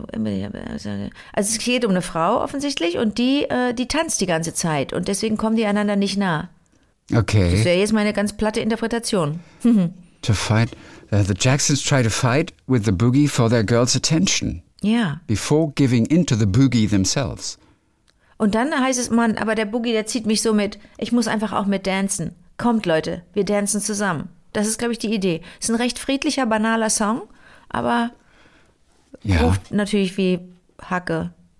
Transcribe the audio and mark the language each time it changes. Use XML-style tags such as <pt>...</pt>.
<de>Also es geht um eine Frau offensichtlich und die tanzt die ganze Zeit und deswegen kommen die einander nicht nah. Okay. Das wäre jetzt meine ganz platte Interpretation.</de> <en>To fight, the Jacksons try to fight with the boogie for their girl's attention. Yeah. Before giving into the boogie themselves.</en> <de>Und dann heißt es, Mann, aber der Boogie, der zieht mich so mit. Ich muss einfach auch mit dancen. Kommt, Leute, wir dancen zusammen. Das ist, glaube ich, die Idee. Es ist ein recht friedlicher, banaler Song, aber ruft natürlich wie Hacke.</de>